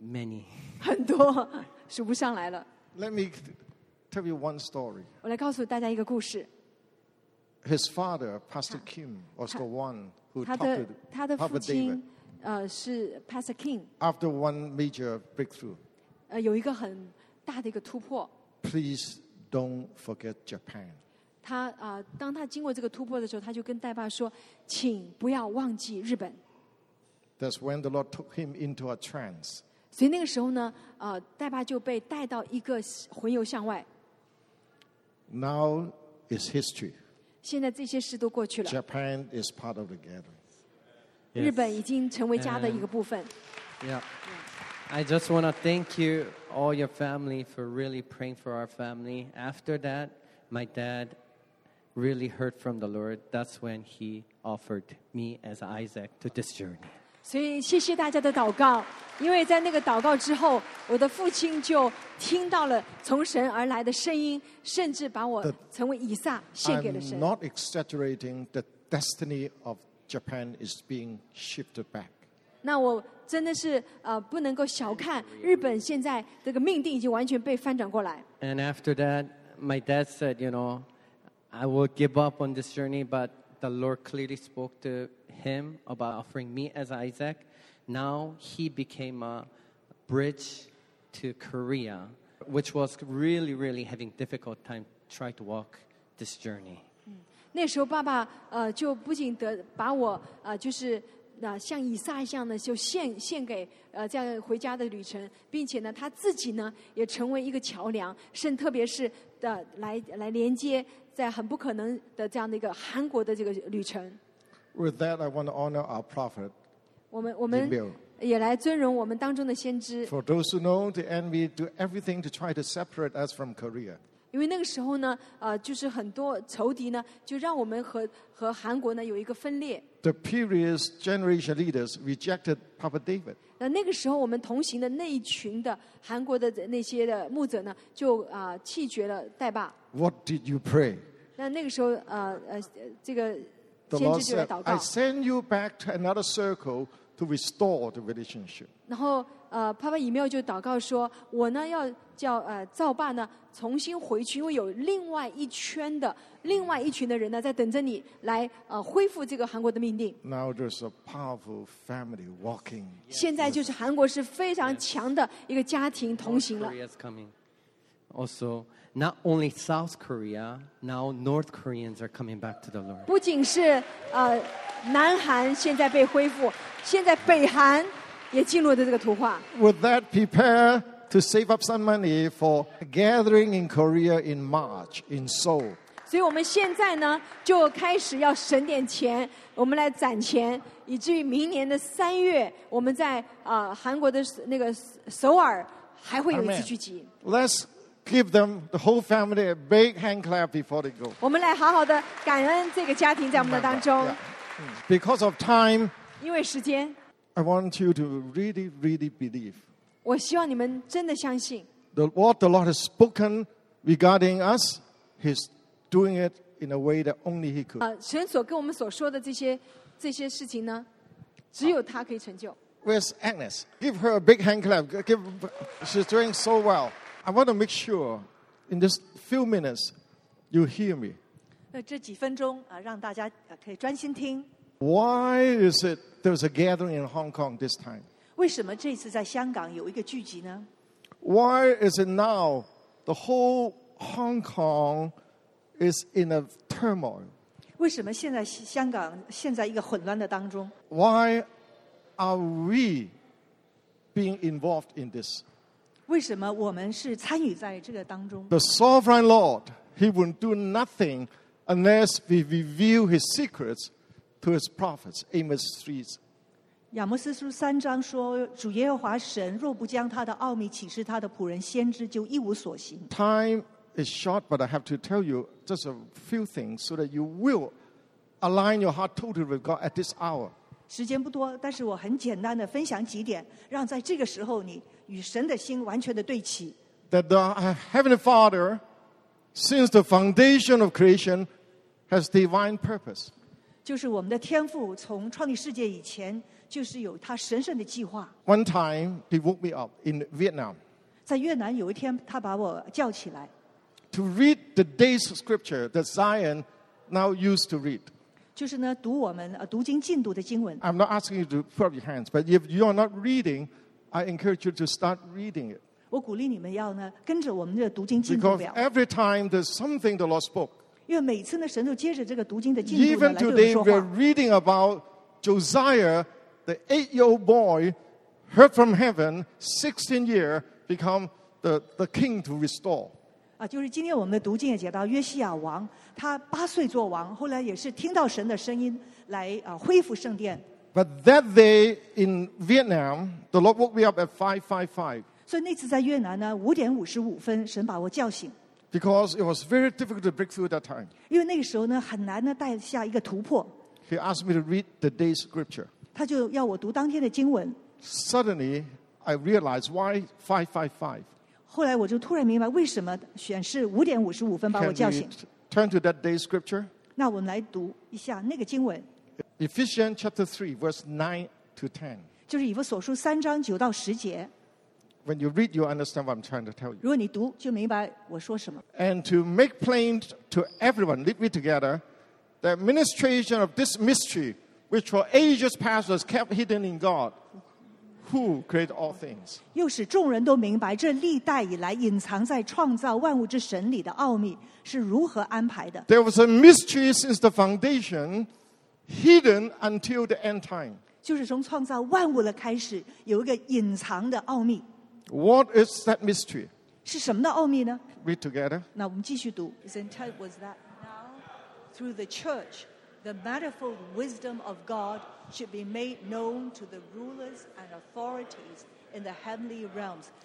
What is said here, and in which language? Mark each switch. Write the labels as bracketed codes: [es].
[en] ？Many， [zh] 很多，数不上来了。 [en] Let me tell you one story. [zh] 我来告诉大家一个故事。 [en] His father, Pastor Kim, was the one who talked to Papa David. [zh] 他的父亲是 Pastor Kim. [en] After one major breakthrough. [zh] 有一个很大的一个突破。 [en] Please don't forget Japan. [zh] 他当他经过这个突破的时候，他就跟戴爸说：“请不要忘记日本。” [en] That's when the Lord took him into a trance. [zh] 所以那个时候呢，戴爸就被带到一个魂游向外。 [en] Now is history. [zh] 现在这些事都过去了。 [en] Japan is part of the gathering. [zh] 日本已经成为家的一个部分。 [en] Yeah. I just want to thank you, all your family, for really praying for our family. After that. My dad really heard from the Lord. That's when he offered me as Isaac to this journey. [zh] 所以谢谢大家的祷告，因为在那个祷告之后，我的父亲就听到了从神而来的声音，甚至把我成为以撒献给了神。 [en] I'm not exaggerating. The destiny of Japan is being shifted back. [zh] 那我真的是不能够小看日本现在这个命定已经完全被翻转过来。 [en] And after that. My dad said, you know, I will give up on this journey, but the Lord clearly spoke to him about offering me as Isaac. Now he became a bridge to Korea, which was really, really having difficult time trying to walk this journey. [zh] 那时候爸爸就不仅得把我就是像以撒一样的就献给这样回家的旅程，并且呢他自己呢也成为一个桥梁，甚特别是的来连接在很不可能的这样的一个韩国的这个旅程。 [en] With that, I want to honor our prophet. [zh] 我们也来尊荣我们当中的先知。 [en] For those who know, the enemy do everything to try to separate us from Korea. [zh] 因为那个时候呢，就是很多仇敌呢，就让我们和韩国呢有一个分裂。 [en] The previous generation leaders rejected Papa David. [zh] 那个时候我们同行的那一群的韩国的那些的牧者呢，就弃绝了代爸。 [en] What did you pray? [zh] 那个时候这个先知就来祷告。 [en] The Lord said, I send you back to another circle to restore the relationship. [zh] 然后爸爸以妙就祷告说，我呢要叫造爸呢重新回去，因为有另外一群的人呢在等着你来恢复这个韩国的命定。 [en] Now there's a powerful family walking. [zh] 现在就是韩国是非常强的一个家庭同行了。 [en] Korea's coming. Also, not only South Korea, now North Koreans are coming back to the Lord. [zh] 不仅是南韩现在被恢复，现在北韩。也进入了这个图画。 [en] Would that prepare to save up some money for a gathering in Korea in March in Seoul? [zh] 所以我们现在呢就开始要省点钱，我们来攒钱，以至于明年的三月，我们在韩国的那个首尔还会有一次聚集。 [en] Let's give them the whole family a big hand clap before they go. [zh] 我们来好好的感恩这个家庭在我们的当中。 [en] Because of time. [zh] 因为时间。 [en] I want you to really, really believe. [zh] 我希望你们真的相信。 [en] What the Lord has spoken regarding us, He's doing it in a way that only He could. [zh] 神所跟我们所说的这些事情呢，只有他可以成就。 [en] Where's Agnes? Give her a big hand clap. She's doing so well. I want to make sure in this few minutes you hear me. [zh] 这几分钟让大家可以专心听。 [en] Why is it there's a gathering in Hong Kong this time? [zh] 为什么这次在香港有一个聚集呢? [en] Why is it now the whole Hong Kong is in a turmoil? [zh] 为什么现在香港现在一个混乱的当中? [en] Why are we being involved in this? [zh] 为什么我们是参与在这个当中? [en] The Sovereign Lord, He won't do nothing unless we reveal His secrets. To his prophets, Amos 3. [zh] 亚摩斯书三章说，主耶和华神若不将他的奥秘启示他的仆人先知，就一无所行。 [en] Time is short, but I have to tell you just a few things so that you will align your heart totally with God at this hour. [zh] 时间不多，但是我很简单的分享几点，让在这个时候你与神的心完全的对齐。 [en] That the Heavenly Father, since the foundation of creation, has divine purpose. [zh] 就是我们的天父从创立世界以前就是有他神圣的计划。 [en] One time, he woke me up in Vietnam. [zh] 在越南有一天他把我叫起来。 [en] To read the day's scripture that Zion now used to read. [zh] 就是呢读我们读经进度的经文。 [en] I'm not asking you to put up your hands, but if you are not reading, I encourage you to start reading it. [zh] 我鼓励你们要呢跟着我们的读经进度表。 [en] Because every time there's something the Lord spoke, [zh] 因为每次呢，神就接着这个读经的进度来对我说话。 [en] Even today, we're reading about Josiah, the 8-year-old boy, heard from heaven, 16 years, become the king to restore. [zh] 就是今天我们的读经也讲到约西亚王，他八岁做王，后来也是听到神的声音来恢复圣殿。 [en] But that day in Vietnam, the Lord woke me up at 5:55. [zh] 所以那次在越南呢，5:55，神把我叫醒。 [en] Because it was very difficult to break through that time. [zh] 因为那个时候呢，很难呢带下一个突破。 [en] He asked me to read the day's scripture. [zh] 他就要我读当天的经文。 [en] Suddenly, I realized why 5:55. [zh] 后来我就突然明白为什么选是5:55把我叫醒。 [en] Can we turn to that day's scripture? [zh] 那我们来读一下那个经文。 [en] Ephesians chapter 3, verse 9-10. [zh] 就是以弗所书3:9-10。 [en] When you read, you understand what I'm trying to tell you. [zh] 如果你读，就明白我说什么。 [en] And to make plain to everyone, read it together, the administration of this mystery, which for ages past was kept hidden in God, who created all things. [zh] 又使众人都明白，这历代以来隐藏在创造万物之神里的奥秘是如何安排的。 [en] There was a mystery since the foundation, hidden until the end time. [zh] 就是从创造万物的开始，有一个隐藏的奥秘。 [en] What is that mystery? [zh] 是什么的奥秘呢? [en] Read together. [zh] 那我们继续读。 [en] His intent was that now, through the church, the manifold wisdom of God should be made known to the rulers and authorities in the heavenly realms.